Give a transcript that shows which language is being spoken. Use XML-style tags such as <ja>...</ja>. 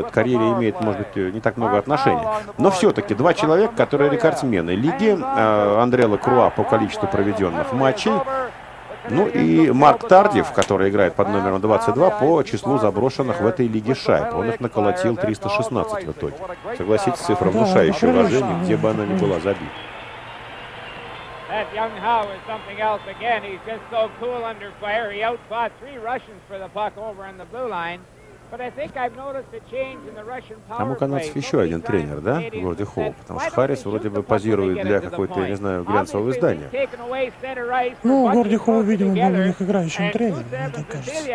<ru>Эта карьера имеет, может быть, не так много отношений. Но все-таки два человека, которые рекордсмены лиги, Андре Лакруа по количеству проведенных матчей, ну и Марк Тардиев, который играет под номером 22, по числу заброшенных в этой лиге шайб. Он их наколотил 316 в итоге. Согласитесь, цифра внушающая уважение, где бы она ни была забита.</ru> <en>That young Howe is something else again. He's just so cool under fire. He outfought three Russians for the puck over on the blue line. But I think I've noticed a change in the Russian power play.</en> <ru>Там у канадцев еще один тренер, да, вроде Хоу, потому что Харрис вроде бы позирует для какой-то, я не знаю, глянцевого издания. Ну, Горди Хоу, видимо, был у них играющим тренером, мне так кажется.</ru>